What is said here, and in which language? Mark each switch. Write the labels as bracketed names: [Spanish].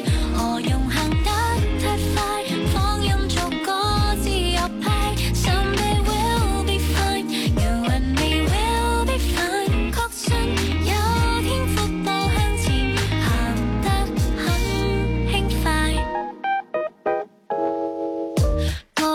[Cantonese] 何用行得太快，放任逐个自由派。 [English] Someday will be fine, you and me will be fine. [Cantonese] 确信有天阔步向前，行得很轻快。